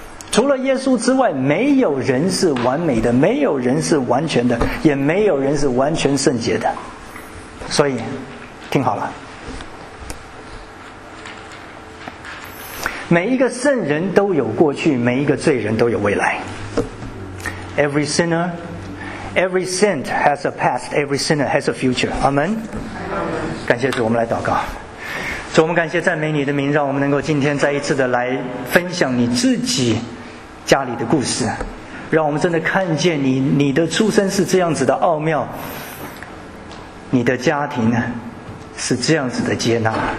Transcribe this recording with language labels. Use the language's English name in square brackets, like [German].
[Chinese] 除了耶稣之外，没有人是完美的，没有人是完全的，也没有人是完全圣洁的。所以听好了，每一个圣人都有过去，每一个罪人都有未来。 [English] Every sinner, every saint has a past, every sinner has a future. [Chinese] 阿们。感谢主，我们来祷告。主，我们感谢赞美你的名，让我们能够今天再一次的来分享你自己家里的故事，让我们真的看见你，你的出生是这样子的奥妙，你的家庭呢是这样子的接纳。